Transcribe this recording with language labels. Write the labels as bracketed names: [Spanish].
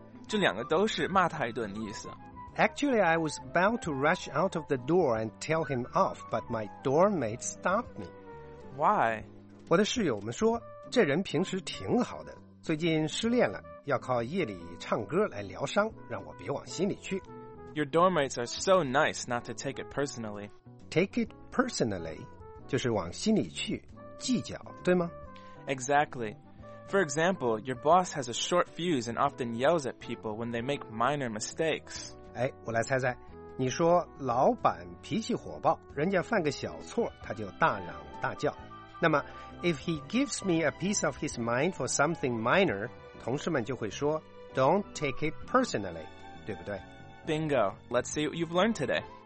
[Chinese] 这两个都是骂他一顿的意思。 [English] Actually, I was about to rush out of the door and tell him off, but my dorm mate stopped me. Why? [Chinese] 我的室友们说，这人平时挺好的，最近失恋了，要靠夜里唱歌来疗伤，让我别往心里去。 [English] Your dorm mates are so nice not to take it personally. Take it personally, [Chinese] 就是往心里去，计较，对吗？ [English] Exactly. For example, your boss has a short fuse and often yells at people when they make minor mistakes. [Chinese] 哎，我来猜猜，你说老板脾气火爆，人家犯个小错，他就大嚷大叫。那么 [English] ,if he gives me a piece of his mind for something minor, [Chinese] 同事们就会说 [English] ,don't take it personally, [Chinese] 对不对？ [English] Bingo, let's see what you've learned today.